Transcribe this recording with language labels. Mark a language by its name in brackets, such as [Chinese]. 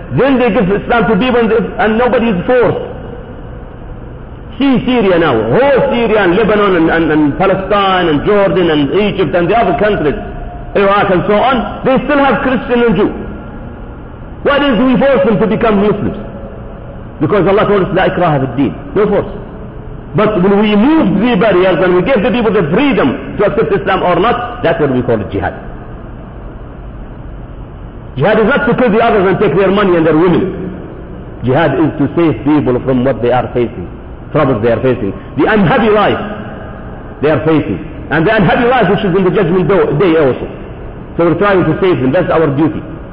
[English] Then they give Islam to people and nobody is forced. See Syria now, whole Syria and Lebanon and Palestine and Jordan and Egypt and the other countries, Iraq and so on, they still have Christian and Jew. What is we force them to become Muslims? Because Allah told us, [Arabic] لا إكراه في الدين. [English] No force. But when we move the barriers and we give the people the freedom to accept Islam or not, that's what we call it jihad. Jihad is not to kill the others and take their money and their women. Jihad is to save people from what they are facing, troubles they are facing, the unhappy life they are facing, and the unhappy life which is in the judgment day also. So we're trying to save them. That's our duty.